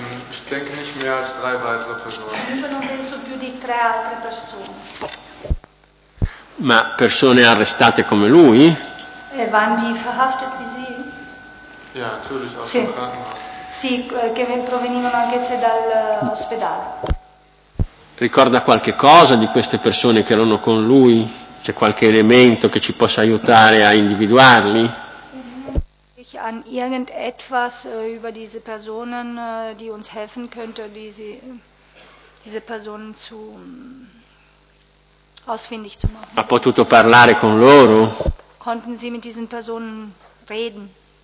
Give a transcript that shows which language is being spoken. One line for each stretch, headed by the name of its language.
German: Ich denke nicht mehr als drei weitere Personen.
Italian: Io non penso più di tre altre persone. Ma persone arrestate come lui?
German: E waren die verhaftet wie sie? Ja, natürlich auch vom Krankenhaus.
Italian: Sì, che provenivano anche se dall'ospedale. Ricorda qualche cosa di queste persone che erano con lui? C'è qualche elemento che ci possa aiutare a individuarli?
German: An irgendetwas über diese Personen, die uns helfen könnte, diese Personen zu ausfindig zu machen.
Italian: Ha potuto parlare con loro?
German: Konnten Sie mit diesen Personen reden?